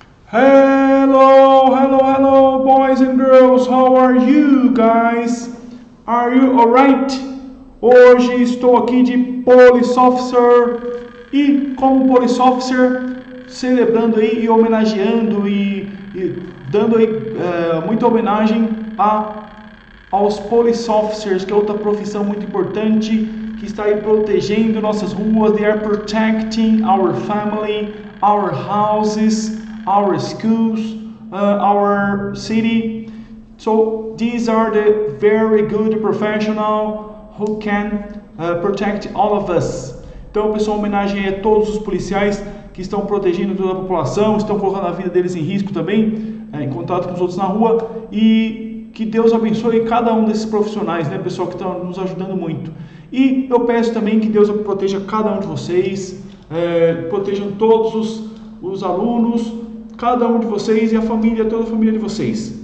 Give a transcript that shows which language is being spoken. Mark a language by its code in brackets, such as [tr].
[en] Hello, boys and girls, how are you guys? Are you alright? [pt] Hoje estou aqui de police officer e como police officer celebrando aí e homenageando e dando aí muita homenagem aos police officers, que é outra profissão muito importante que está aí protegendo nossas ruas. [en] They are protecting our family, our houses, our schools, our city. So these are the very good professional who can protect all of us. [pt] Então, pessoal, homenagem a todos os policiais que estão protegendo toda a população, estão colocando a vida deles em risco também, em contato com os outros na rua, e que Deus abençoe cada um desses profissionais, né, pessoal, que estão nos ajudando muito. E eu peço também que Deus proteja cada um de vocês, protejam todos os alunos, cada um de vocês e a família, toda a família de vocês.